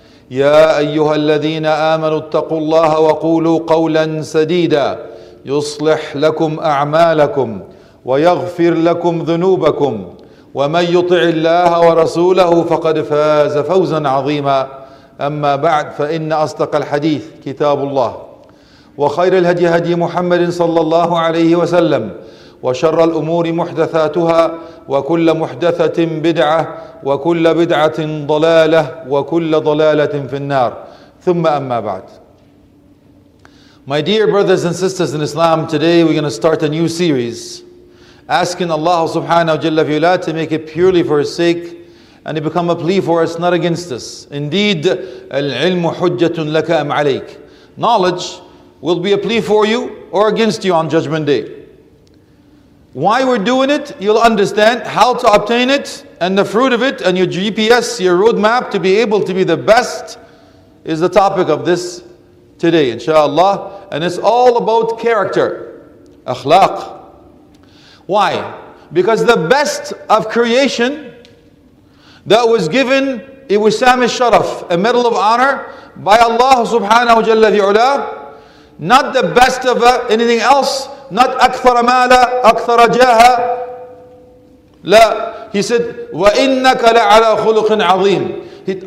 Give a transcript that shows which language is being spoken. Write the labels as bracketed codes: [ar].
[ar] يا أيها الذين آمنوا اتقوا الله وقولوا قولا سديدا يصلح لكم أعمالكم ويغفر لكم ذنوبكم ومن يطع الله ورسوله فقد فاز فوزا عظيما أما بعد فإن أصدق الحديث كتاب الله وخير الهدي هدي محمد صلى الله عليه وسلم وشر الأمور محدثاتها وكل محدثة بدعة وكل بدعة ضلالة وكل ضلالة في النار ثم أما بعد. [en] My dear brothers and sisters in Islam, today we're going to start a new series asking Allah subhanahu wa jalla fi ula to make it purely for His sake and it become a plea for us, not against us. Indeed, [ar] al-ilmu hujjatun laka am alayk. [en] Knowledge will be a plea for you or against you on Judgment Day. Why we're doing it, you'll understand how to obtain it and the fruit of it and your GPS, your roadmap to be able to be the best is the topic of this today, inshallah. And it's all about character, akhlaq. Why? Because the best of creation that was given, it was Wissam al-Sharaf, a medal of honor by Allah subhanahu wa jalla fi'ula. Not the best of anything else, not [ar] أكثر مالا أكثر جاها. La. [en] He said, [ar] وَإِنَّكَ لَعَلَى خُلُقٍ عَظِيمٍ.